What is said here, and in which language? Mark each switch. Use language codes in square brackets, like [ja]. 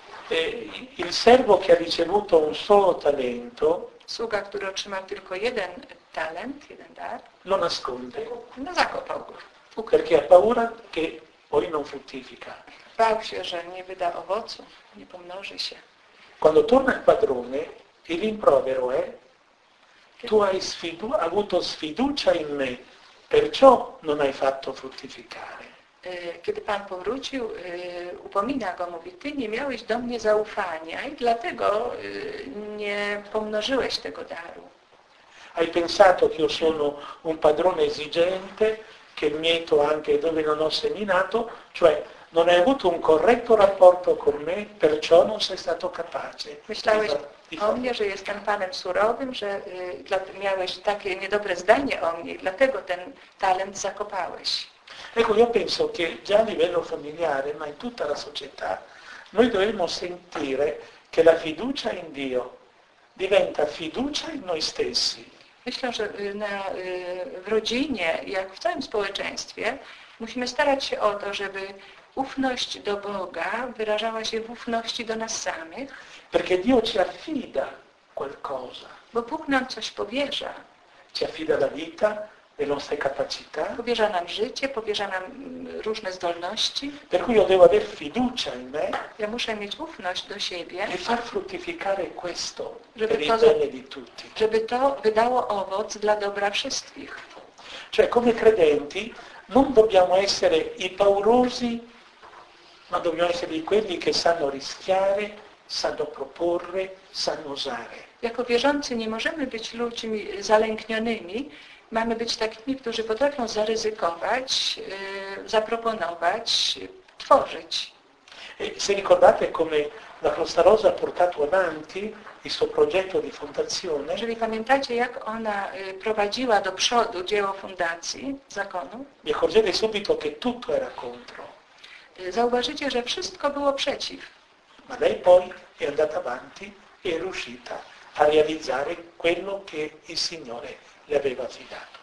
[it] Il servo che ha ricevuto un solo talento. [pl] Sługa, który otrzymał tylko jeden talent, jeden dar. [it] Lo nasconde. [pl] No zakopał go. [it] Perché ha paura che poi non fruttifica. [pl] Bał się, że nie wyda owocu, nie pomnoży się. [it] Quando torna il padrone, il rimprovero è tu hai avuto sfiducia in me, perciò non hai fatto fruttificare. [pl] kiedy Pan powrócił, upomina go, mówi, ty nie miałeś do mnie zaufania i dlatego nie pomnożyłeś tego daru. [it] Hai pensato che io sono un padrone esigente, che mieto anche dove non ho seminato, cioè non hai avuto un corretto rapporto con me, perciò non sei stato capace. [pl] Myślałeś o mnie, że jestem panem surowym, że miałeś takie niedobre zdanie o mnie, dlatego ten talent zakopałeś. [it] Ecco, io penso che già a livello familiare, ma in tutta la società, noi dovremmo sentire che la fiducia in Dio diventa fiducia in noi stessi. [pl] Myślę, że w rodzinie, jak w całym społeczeństwie, musimy starać się o to, żeby ufność do Boga wyrażała się w ufności do nas samych. [it] Perché Dio ci affida qualcosa. [pl] Bo Bóg nam coś powierza. [it] Ci affida la vita, le nostre capacità. [pl] Powierza nam życie, powierza nam różne zdolności. [it] Per cui io devo aver fiducia in me. [pl] Ja muszę mieć ufność do siebie. [it] E far fruttificare questo per il bene di tutti. [pl] Żeby to wydało owoc dla dobra wszystkich. [it] Cioè, come credenti, non dobbiamo essere i paurosi, ma dobbiamo essere quelli che sanno rischiare, sanno proporre, sanno usare. [pl] Jako wierzący nie możemy być ludźmi zalęknionymi, mamy być takimi, którzy potrafią zaryzykować, zaproponować, tworzyć. [it] Se ricordate come la Costa Rosa ha portato avanti il suo progetto di fondazione. [pl] Jeżeli pamiętacie, jak ona prowadziła do przodu dzieło fundacji, zakonu. [it] Mi accorgete subito che tutto era contro. [pl] Zauważycie, że wszystko było przeciw. [it] Ma lei poi è andata avanti e è riuscita a realizzare quello che il Signore le aveva affidato.